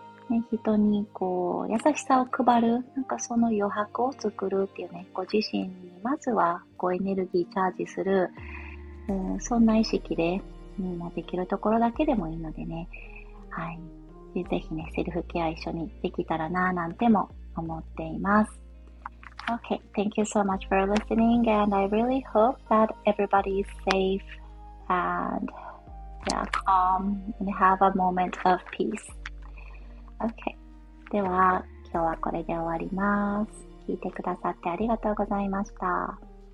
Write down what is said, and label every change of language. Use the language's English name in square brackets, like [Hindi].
[Japanese] ね、人にこう優しさを配る、なんかその余白を作るっていうね、ご自身にまずはこうエネルギーチャージする、そんな意識で、できるところだけでもいいのでね、はい、ぜひね、セルフケア一緒にできたらななんても思っています。 [English] Okay, thank you so much for listening and I really hope that everybody is safe and calm and have a moment of peace. [Japanese] Okay, では今日はこれで終わります。聞いてくださってありがとうございました。